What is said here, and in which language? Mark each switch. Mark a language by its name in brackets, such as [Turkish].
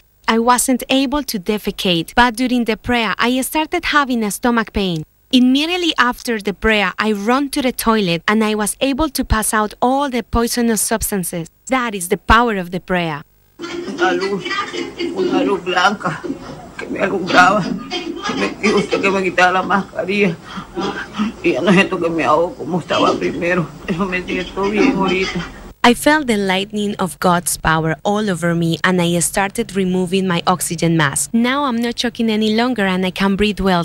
[English] I wasn't able to defecate, but during the prayer, I started having a stomach pain. Immediately after the prayer, I ran to the toilet and I was able to pass out all the poisonous substances. That is the power of the prayer. [Spanish] Una luz blanca que me alumbraba, me dijo usted que me quitara la mascarilla. Y ya no siento que me ahogo como estaba primero. Eso me siento bien ahorita. [English] I felt the lightning of God's power all over me and I started removing my oxygen mask. Now I'm not choking any longer and I can breathe well.